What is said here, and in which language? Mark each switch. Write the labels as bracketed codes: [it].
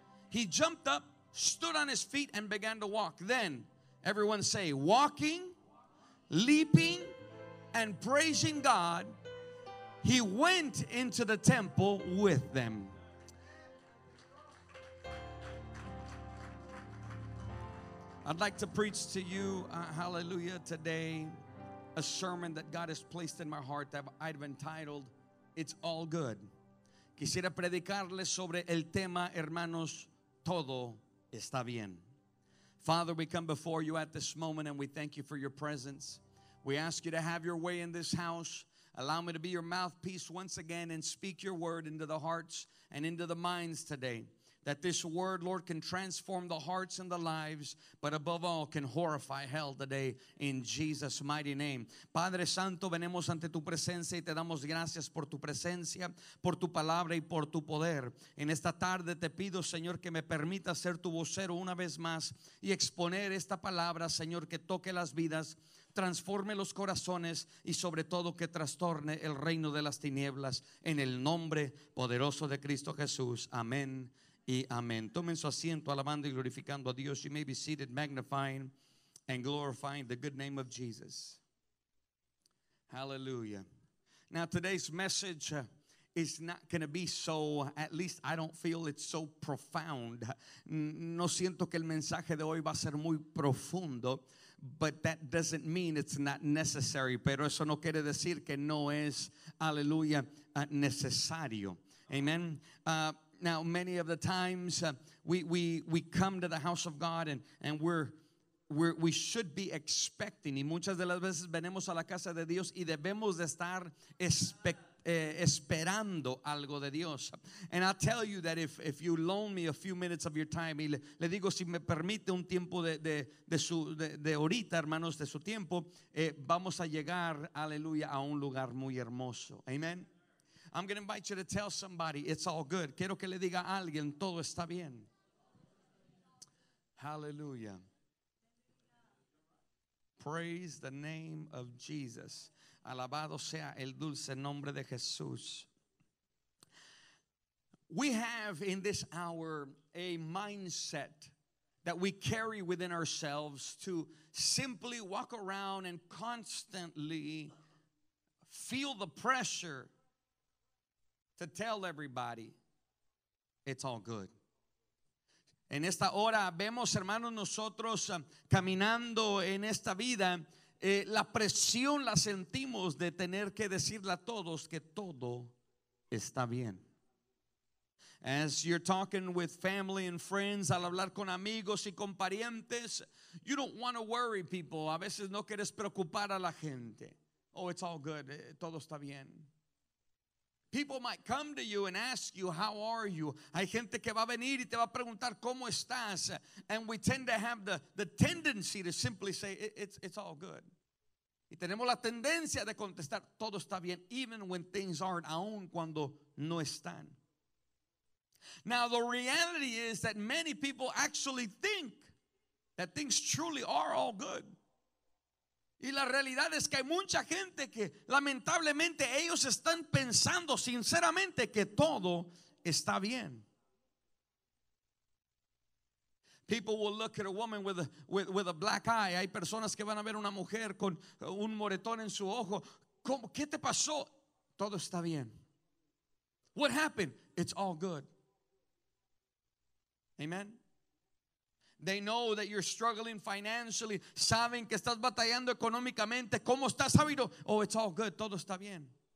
[en] He jumped up, stood on his feet, and began to walk. Then, everyone say, walking, leaping, and praising God, he went into the temple with them. I'd like to preach to you, hallelujah, today, a sermon that God has placed in my heart that I've entitled, "It's All Good". [es] Quisiera predicarles sobre el tema, hermanos, "Todo está bien". [en] Father, we come before you at this moment and we thank you for your presence. We ask you to have your way in this house. Allow me to be your mouthpiece once again and speak your word into the hearts and into the minds today. That this word, Lord, can transform the hearts and the lives, but above all, can horrify hell today in Jesus' mighty name. [es] Padre Santo, venimos ante tu presencia y te damos gracias por tu presencia, por tu palabra y por tu poder. En esta tarde te pido, Señor, que me permita ser tu vocero una vez más y exponer esta palabra, Señor, que toque las vidas, transforme los corazones y sobre todo que trastorne el reino de las tinieblas en el nombre poderoso de Cristo Jesús. Amén. Y amén. Tomen su asiento alabando y glorificando a Dios. [en] You may be seated, magnifying and glorifying the good name of Jesus. Hallelujah. Now today's message is not going to be so, at least I don't feel it's so profound. [es] No siento que el mensaje de hoy va a ser muy profundo, [en] but that doesn't mean it's not necessary. [es] Pero eso no quiere decir que no es, hallelujah, necesario. [en] Amen. Now, many of the times we come to the house of God and we should be expecting. [es] Y muchas de las veces venimos a la casa de Dios y debemos de estar esperando algo de Dios. [en] And I tell you that if you loan me a few minutes of your time, [es] y le digo si me permite un tiempo de ahorita, hermanos, de su tiempo, vamos a llegar, aleluya, a un lugar muy hermoso. Amen. [en] I'm going to invite you to tell somebody it's all good. [es] Quiero que le diga a alguien, todo está bien. [en] Hallelujah. Praise the name of Jesus. [es] Alabado sea el dulce nombre de Jesús. [en] We have in this hour a mindset that we carry within ourselves to simply walk around and constantly feel the pressure to tell everybody it's all good. [es] En esta hora vemos, hermanos, nosotros caminando en esta vida, la presión la sentimos de tener que decirle a todos que todo está bien. [en] As you're talking with family and friends, [es] al hablar con amigos y con parientes, [en] you don't want to worry people. [es] A veces no quieres preocupar a la gente. [en] Oh, it's all good. [es] Todo está bien. [en] People might come to you and ask you, how are you? [es] Hay gente que va a venir y te va a preguntar, ¿cómo estás? [en] And we tend to have the tendency to simply say, it's all good. [es] Y tenemos la tendencia de contestar, todo está bien, [en] even when things aren't, [es] aun cuando no están. [en] Now, the reality is that many people actually think that things truly are all good. [es] Y la realidad es que hay mucha gente que lamentablemente ellos están pensando sinceramente que todo está bien. [en] People will look at a woman with a black eye. [es] Hay personas que van a ver una mujer con un moretón en su ojo. ¿Cómo, qué te pasó? Todo está bien. [en] What happened? It's all good. Amen. They know that you're struggling financially. [es] Saben que estás batallando económicamente. ¿Cómo estás, sabido? [en] Oh, it's all good. [es] Todo está bien.